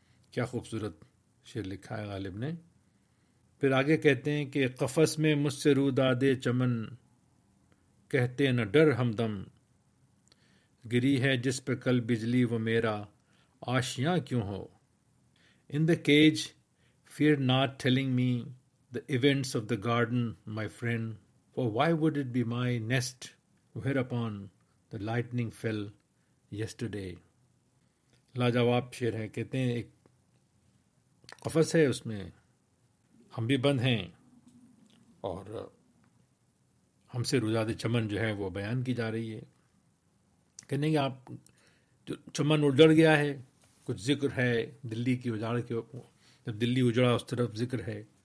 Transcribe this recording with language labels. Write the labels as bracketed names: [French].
[Urdu] کیا خوبصورت شعر لکھا ہے غالب نے. پھر آگے کہتے ہیں کہ قفس میں مجھ سے رو دادے چمن, کہتے نہ ڈر ہم دم, گری ہے جس پہ کل بجلی وہ میرا آشیاں کیوں ہو. [English] In the cage fear not telling me the events of the garden my friend, for why would it be my nest whereupon the lightning fell yesterday. [Urdu] لاجواب شعر ہے. کہتے ہیں ایک قفس ہے, اس میں ہم بھی بند ہیں, اور ہم سے روزاد چمن جو ہے وہ بیان کی جا رہی ہے. کہنے کہ آپ جو چمن اجڑ گیا ہے, کچھ ذکر ہے دلی کی اجاڑ کے, جب دلی اجڑا اس طرف ذکر ہے.